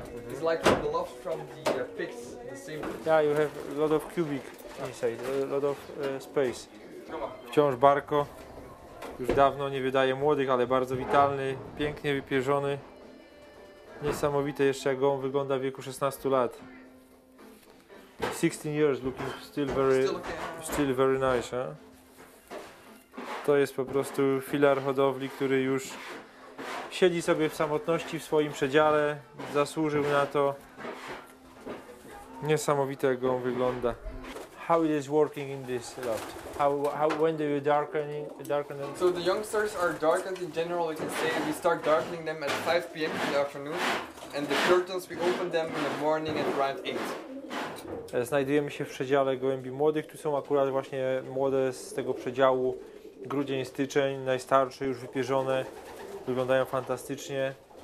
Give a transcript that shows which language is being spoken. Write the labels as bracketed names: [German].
[English] It's like the loft from the pigs, the same. Yeah, you have a lot of cubic inside, a lot of space. [Polish] Wciąż Barco, już dawno nie wydaje młodych, ale bardzo witalny, pięknie wypierzony. Niesamowite jeszcze jak on wygląda w wieku 16 lat. [English] 16 years looking still very nice, huh? [Polish] To jest po prostu filar hodowli, który już siedzi sobie w samotności w swoim przedziale, zasłużył na to. Niesamowite jak on wygląda. [English] How it is working in this loft? How when do you darken them? So the youngsters are darkened in general, we can say we start darkening them at 5 p.m. in the afternoon and the curtains we open them in the morning at around 8. [Polish] Znajdujemy się w przedziale gołębi młodych. Tu są akurat właśnie młode z tego przedziału. Grudzień, styczeń, najstarsze, już wypierzone, wyglądają fantastycznie.